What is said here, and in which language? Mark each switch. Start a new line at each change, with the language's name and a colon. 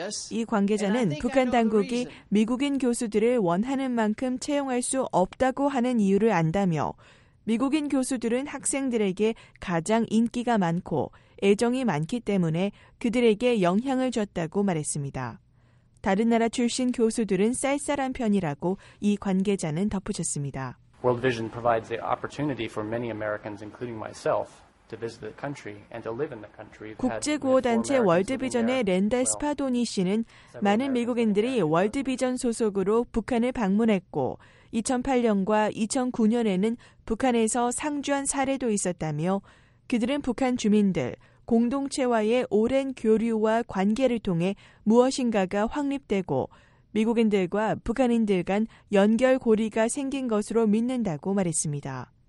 Korean: 이 관계자는 북한 당국이 미국인 교수들을 원하는 만큼 채용할 수 없다고 하는 이유를 안다며 미국인 교수들은 학생들에게 가장 인기가 많고 애정이 많기 때문에 그들에게 영향을 줬다고 말했습니다. 다른 나라 출신 교수들은 쌀쌀한 편이라고 이 관계자는 덧붙였습니다.
English: World Vision provides the opportunity for many Americans, including myself, to visit the country and to live in the country.
Korean: 국제 구호 단체 월드 비전의 랜달 스파도니 씨는 많은 미국인들이 월드 비전 소속으로 북한을 방문했고 2008년과 2009년에는 북한에서 상주한 사례도 있었다며 그들은 북한 주민들 공동체와의 오랜 교류와 관계를 통해 무엇인가가 확립되고 미국인들과 북한인들 간 연결 고리가 생긴 것으로 믿는다고 말했습니다.